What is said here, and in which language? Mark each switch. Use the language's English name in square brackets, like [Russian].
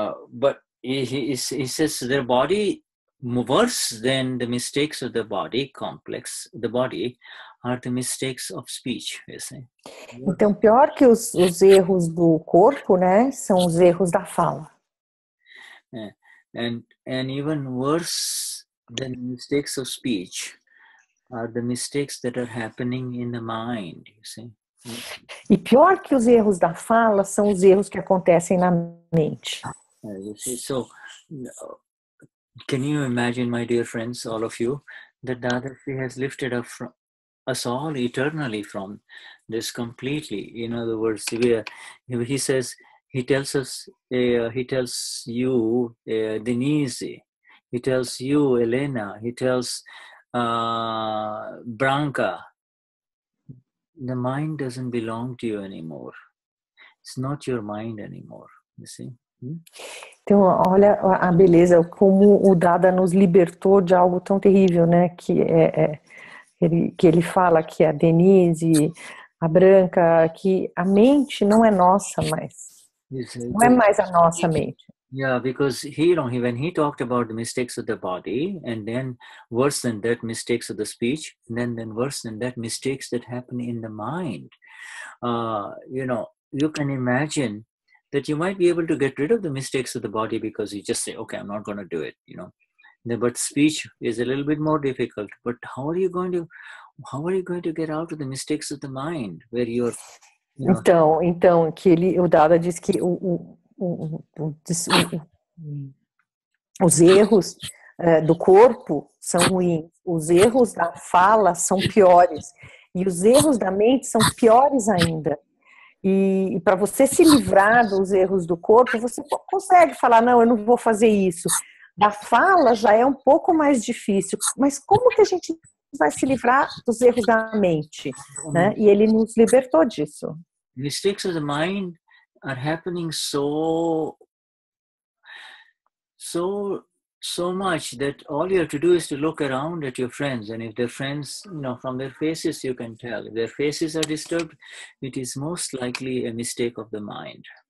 [English] But he says their body worse than the mistakes of the body complex. The body are the mistakes of speech. You see? [Portuguese] Então pior que os erros do corpo, né, são os erros da fala. [English] Yeah. And even worse. The mistakes of speech are the mistakes that are happening in the mind, you see? [Portuguese] E pior que os erros da fala são os erros que acontecem na mente. [English] So, can you imagine, my dear friends, all of you, that Dadashri has lifted us all eternally from this completely? In other words, he tells Denise. He tells you, Elena, he tells Branca, the mind doesn't belong to you anymore. It's not your mind anymore, you see? [Portuguese] Então, olha a beleza, como o Dada nos libertou de algo tão terrível, né? Que, ele fala que a Denise, a Branca, que a mente não é nossa mais. Não é mais a nossa mente. [English] Yeah, because when he talked about the mistakes of the body, and then worse than that, mistakes of the speech, and then worse than that, mistakes that happen in the mind. You know, you can imagine that you might be able to get rid of the mistakes of the body because you just say, okay, I'm not going to do it, you know. But speech is a little bit more difficult. But how are you going to get out of the mistakes of the mind where you're... You know? [Portuguese] Então, que ele, o Dada diz que os erros do corpo são ruins, os erros da fala são piores, e os erros da mente são piores ainda. E para você se livrar dos erros do corpo, você consegue falar, não, eu não vou fazer isso. Da fala já é um pouco mais difícil, mas como que a gente vai se livrar dos erros da mente? Né? E ele nos libertou disso. [English] Mistakes of the mind are happening so much that all you have to do is to look around at your friends, and if their friends, you know, from their faces you can tell. If their faces are disturbed, it is most likely a mistake of the mind.